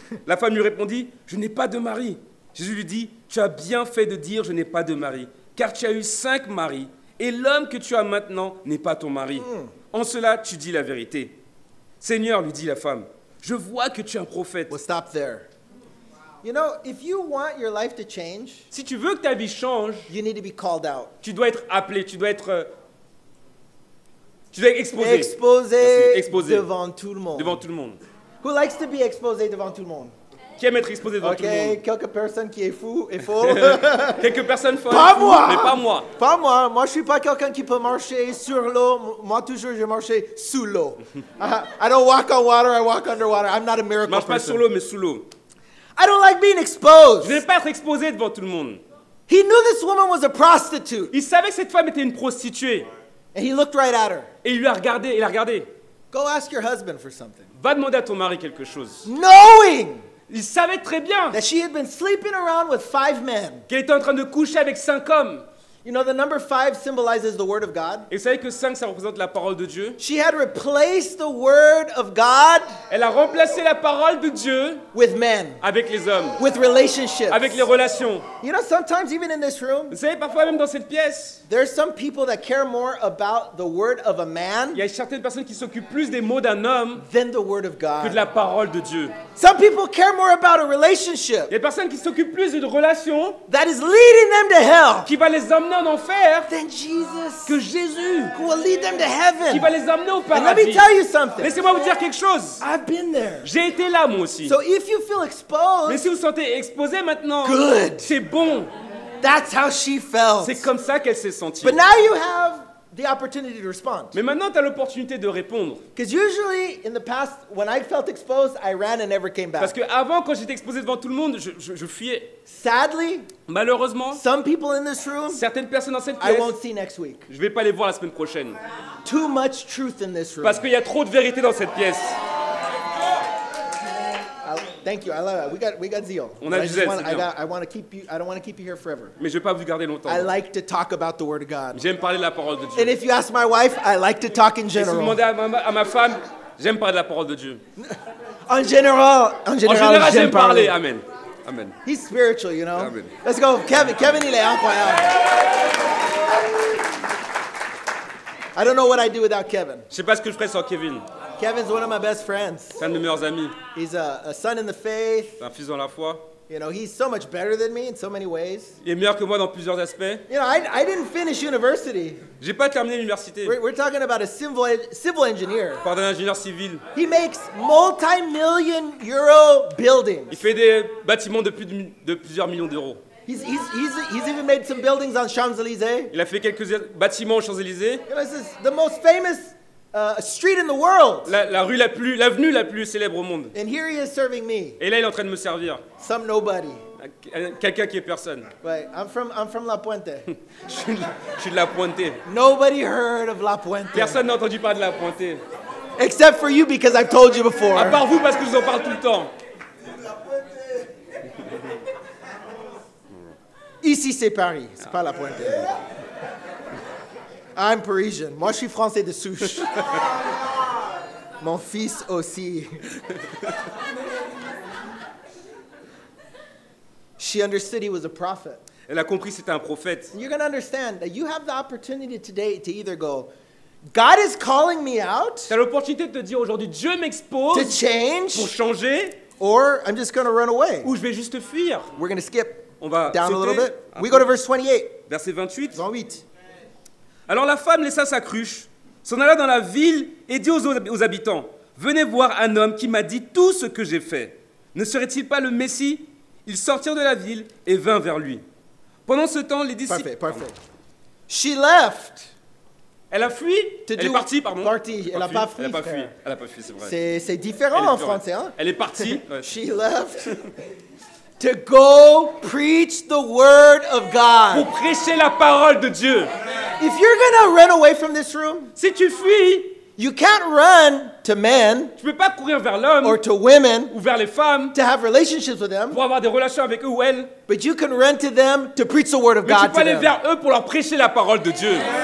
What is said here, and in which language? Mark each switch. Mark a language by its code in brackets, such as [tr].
[fr] La femme lui répondit, je n'ai pas de mari. Jésus lui dit, tu as bien fait de dire, je n'ai pas de mari. Car tu as eu 5 maris. Et l'homme que tu as maintenant n'est pas ton mari. En cela, tu dis la vérité. Seigneur, lui dit la femme, je vois que tu es un prophète. [en] We'll stop there. You know, if you want your life to change, [fr] si tu veux que ta vie change, [en] you need to be called out. [fr] Tu dois être appelé, tu dois être exposé. Exposé devant tout le monde. Devant tout le monde. [en] Who likes to be [fr] exposé devant tout le monde? Qui aime être exposé devant [en] okay, [fr] tout le monde? Ok, quelques personnes qui est fou et faux. Quelques personnes folles. Pas moi. Mais pas moi. Pas moi. Moi, je suis pas quelqu'un qui peut marcher sur l'eau. Moi, toujours, je marche sous l'eau. [en] I don't walk on water. I walk underwater. I'm not a miracle. [fr] Marche [en] person. [fr] Pas sur l'eau, mais sous l'eau. [en] I don't like being exposed. [fr] Je n'aime pas être exposé devant tout le monde. [en] He knew this woman was a prostitute. [fr] Il savait que cette femme était une prostituée. [en] And he looked right at her. [fr] Et il l'a regardé. [en] Go ask your husband for something. [fr] Va demander à ton mari quelque chose. [en] Knowing, [fr] il savait très bien [en] that she had been sleeping around with 5 men. [fr] Qu'elle était en train de coucher avec 5 hommes. [en] You know the number 5 symbolizes the word of God. [fr] Et vous savez que 5 ça représente la parole de Dieu. [en] She had replaced the word of God. [fr] Elle a remplacé la parole de Dieu [en] with men. [fr] Avec les hommes. [en] With relationships. [fr] Avec les relations. [en] You know sometimes even in this room. [fr] Vous savez parfois même dans cette pièce. [en] There are some people that care more about the word of a man. [fr] Il y a certaines personnes qui s'occupent plus des mots d'un homme. [en] Than the word of God. [fr] Que de la parole de Dieu. [en] Some people care more about a relationship. [fr] Il y a des personnes qui s'occupent plus d'une relation. [en] That is leading them to hell. [fr] Qui va les emmener en enfer. [en] Than Jesus. [fr] Que Jésus. [en] Who will lead them to heaven. [fr] Qui va les emmener au paradis. [en] And let me tell you something. [fr] Laissez-moi vous dire quelque chose. [en] I've been there. [fr] J'ai été là moi aussi. [en] So if you feel exposed. [fr] Mais si vous sentez exposé maintenant. [en] Good. [fr] C'est bon. [en] That's how she felt. [fr] C'est comme ça qu'elle s'est sentie. [en] But now you have the opportunity to respond. [fr] Mais maintenant tu as l'opportunité de répondre. [en] Because usually in the past when I felt exposed, I ran and never came back. [fr] Parce que avant quand j'étais exposé devant tout le monde, je fuyais. [en] Sadly, [fr] malheureusement, [en] some people in this room, [fr] certaines personnes dans cette [en] pièce, I won't see next week. [fr] Je vais pas les voir la semaine prochaine. [en] Too much truth in this room. [fr] Parce qu'il y a trop de vérité dans cette pièce. [en] Oh, Thank you. I love it. We got zeal. [fr] On a du zèle, c'est bien. [en] I want to keep you. I don't want to keep you here forever. [fr] Mais je veux pas vous garder longtemps. [en] I like to talk about the Word of God. [fr] J'aime parler de la parole de Dieu. [en] And if you ask my wife, I like to talk in general. [fr] Et si vous demandez à ma femme, j'aime parler de la parole de Dieu. En général, j'aime parler. Amen. Amen. [en] He's spiritual, you know. Amen. Let's go, [fr] Kevin. Kevin, il est incroyable. [en] I don't know what I'd do without Kevin. [fr] Je sais pas ce que je ferais sans Kevin. [en] Kevin's one of my best friends. [fr] C'est un de mes meilleurs amis. [en] He's a son in the faith. [fr] C'est un fils dans la foi. [en] You know, he's so much better than me in so many ways. [fr] Il est meilleur que moi dans plusieurs aspects. [en] You know, I didn't finish university. [fr] J'ai pas terminé l'université. [en] We're talking about a civil engineer. [fr] Pardon, ingénieur civil. [en] He makes multi-million euro buildings. [fr] Il fait des bâtiments de plusieurs millions d'euros. [en] He's even made some buildings on Champs-Élysées. [fr] Il a fait quelques bâtiments aux Champs-Élysées. [en] You know, this is the most famous street in the world. [fr] L'avenue la plus célèbre au monde. [en] And here he is serving me. [fr] Et là, il est en train de me servir. [en] Some nobody. [fr] Quelqu'un qui est personne. [en] Right. I'm from La Puente. [fr] je suis de La Puente. [en] Nobody heard of La Puente. [fr] Personne n'a entendu parler de La Puente. [en] Except for you, because I've told you before. [fr] À part vous, parce que je vous en parle tout le temps. Ici, c'est Paris. C'est pas La Puente. [en] I'm Parisian. [fr] Moi, je suis français de souche. Mon fils aussi. [en] She understood he was a prophet. [fr] Elle a compris c'était un prophète. [en] You're going to understand that you have the opportunity today to either go, God is calling me out. [fr] T'as l'opportunité de te dire aujourd'hui, Dieu m'expose. [en] To change. [fr] Pour changer. [en] Or I'm just going to run away. [fr] Ou je vais juste fuir. [en] We're going to skip. [fr] On va [en] down a little bit. We go to verse 28. [fr] Verset 28. 28. Alors la femme laissa sa cruche, s'en alla dans la ville et dit aux habitants, « Venez voir un homme qui m'a dit tout ce que j'ai fait. Ne serait-il pas le Messie ?» Ils sortirent de la ville et vinrent vers lui. Pendant ce temps, les disciples... Parfait. [en] She left. [fr] Elle a fui. Elle est partie. Elle n'a pas fui. Elle n'a pas fui, c'est vrai. C'est différent en français. Hein? Elle est partie. [en] She left. To go preach the word of God. [fr] Pour prêcher la parole de Dieu. [en] If you're going to run away from this room, [fr] si tu fuis, [en] you can't run to men, [fr] tu peux pas courir vers l'homme, [en] or to women, [fr] ou vers les femmes, [en] to have relationships with them, [fr] pour avoir des relations avec eux ou elles, [en] but you can run to them to preach the word of [fr] mais [en] God to [fr] aller [en] them. [fr] Vers eux pour leur prêcher la parole de Dieu.